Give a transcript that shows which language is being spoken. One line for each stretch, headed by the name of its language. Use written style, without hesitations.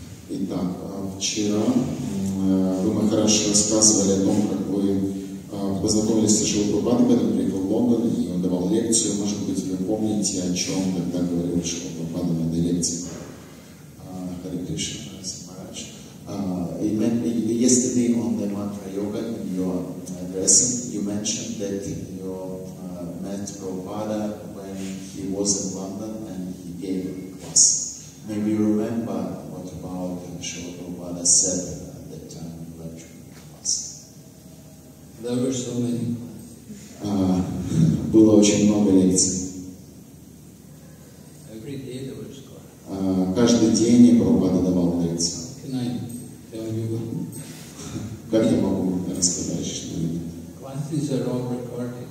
Russian: Итак, вчера вы, Махарадж, рассказывали о том, как вы познакомились с Шрилой Прабхупадой, когда он приехал в Лондон, и он давал лекцию. Может быть, вы помните, о чем тогда говорил Шрила Прабхупада на этой лекции? Харе Кришна, Махарадж.
English: Yesterday on the Mantra Yoga, in your addressing, you mentioned that you met Prabhupada when he was in London and he gave a class. Maybe you remember what about Srila Prabhupada said at that time in lecture class? There were so many classes.
Russian: Было очень много лекций.
English: Every day there was class.
Russian: Каждый день Прабхупада давал лекции.
English: Can I tell you what?
Russian: Как я могу рассказать что-нибудь?
English: Classes are all recorded.